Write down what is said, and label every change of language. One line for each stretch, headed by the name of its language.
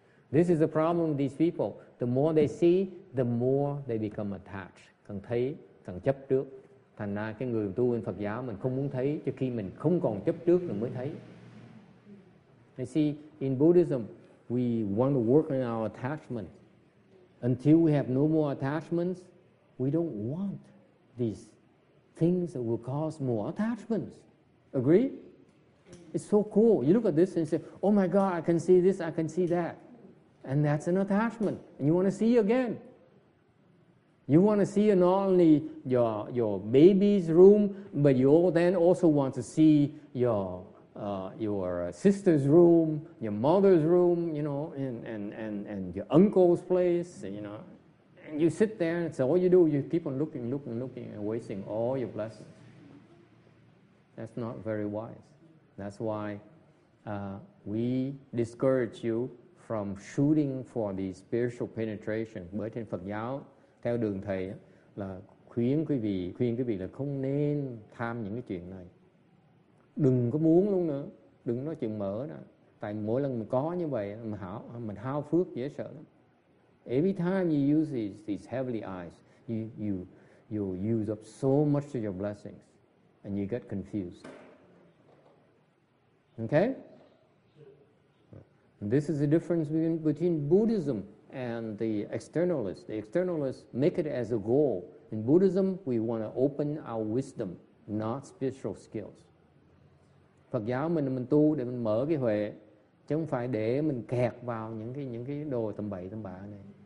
English: This is the problem with these people. The more they see, the more they become attached.
Vietnamese: Càng thấy, càng chấp trước. Thành ra cái người tu bên Phật giáo mình không muốn thấy, cho khi mình không còn chấp trước rồi mới thấy.
English: You see, in Buddhism, we want to work on our attachment. Until we have no more attachments, we don't want these things that will cause more attachments. Agree? It's so cool. You look at this and say, oh my God, I can see this, I can see that. And that's an attachment. And you want to see again. You want to see not only your baby's room, but you then also want to see your sister's room, your mother's room, you know, and your uncle's place, you know. And you sit there, and so all you do, you keep on looking, and wasting all your blessings. That's not very wise. That's why we discourage you from shooting for the spiritual penetration.
Vietnamese: Bởi trên Phật giáo, theo đường thầy, là khuyên quý vị là không nên tham những cái chuyện này. Đừng có muốn luôn nữa, đừng nói chuyện mở nữa. Tại mỗi lần mình có như vậy, mình hao phước dễ sợ lắm.
English: Every time you use these heavenly eyes, you use up so much of your blessings, and you get confused. Okay? This is the difference between Buddhism and the externalists. The externalists make it as a goal. In Buddhism, we want to open our wisdom, not spiritual skills.
Vietnamese: Phật giáo mình tu để mình mở cái huệ, chứ không phải để mình kẹt vào những cái đồ tầm bậy tầm bạ này.